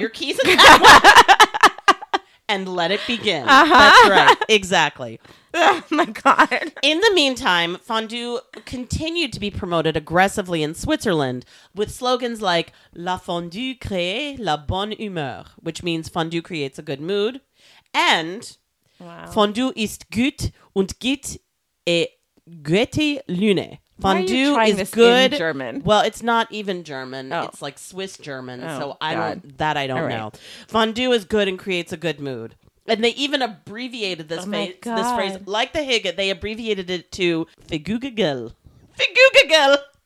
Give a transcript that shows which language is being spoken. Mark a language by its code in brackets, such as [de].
[en] Your keys in that one. And let it begin. Uh-huh. That's right. Exactly. Oh my God. In the meantime, fondue continued to be promoted aggressively in Switzerland with slogans like [fr] La fondue crée la bonne humeur, [en] which means fondue creates a good mood. [gsw] And fondue ist gut und geht a gute Lune. [en] Fondue is good. In German? Well, it's not even German. Oh. It's like Swiss German. I don't know. Fondue is good and creates a good mood. And they even abbreviated this phrase. Like the hygge, they abbreviated it to figugagel. Figugagel!